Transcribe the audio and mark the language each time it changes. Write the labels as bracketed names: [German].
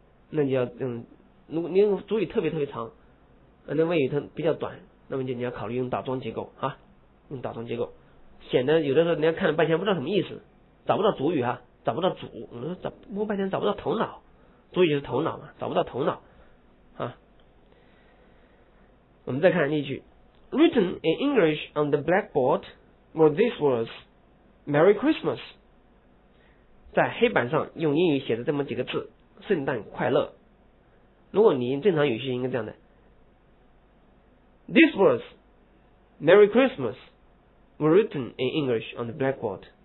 [Chinese] 那你要如果你用主语特别特别长，那谓语它比较短，那么就你要考虑用倒装结构啊，用倒装结构显得有的时候你要看了半天不知道什么意思，找不到主语啊，找不到主，我说找摸半天找不到头脑，主语就是头脑嘛，找不到头脑啊。我们再看例句 [English] ，Written in English on the blackboard were these words, "Merry Christmas." [Chinese] 在黑板上用英语写的这么几个字，圣诞快乐。如果你正常语序应该这样的 [English] ，These words, "Merry Christmas," were written in English on the blackboard.